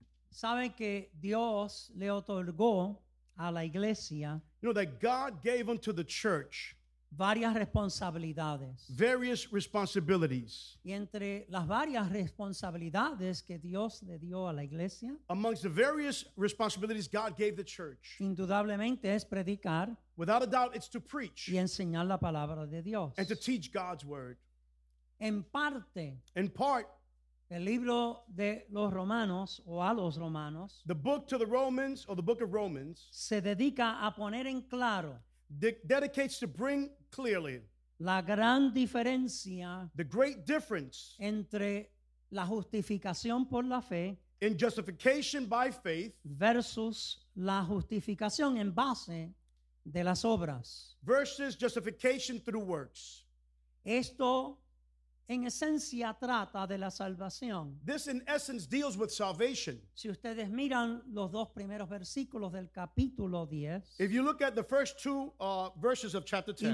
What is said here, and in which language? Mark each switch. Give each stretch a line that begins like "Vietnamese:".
Spanish: Saben que Dios le otorgó a la iglesia...
English: You know, that God gave unto the church
Spanish: varias responsabilidades.
English: Various responsibilities.
Spanish: Y entre las varias responsabilidades que Dios le dio a la iglesia,
English: amongst the various responsibilities God gave the church,
Spanish: indudablemente es predicar.
English: Without a doubt, it's to preach.
Spanish: Y enseñar la palabra de Dios.
English: And to teach God's word.
Spanish: En parte,
English: in part,
Spanish: el libro de los Romanos o a los Romanos,
English: the book to the Romans or the book of Romans,
Spanish: se dedica a poner en claro,
English: dedicates to bring clearly
Spanish: la gran diferencia,
English: the great difference
Spanish: entre la justificación por la fe,
English: in justification by faith
Spanish: versus la justificación en base de las obras,
English: versus justification through works.
Spanish: Esto en esencia trata de la salvación.
English: This in essence deals with salvation.
Spanish: Si ustedes miran los dos primeros versículos del capítulo 10.
English: If you look at the first two verses of chapter 10.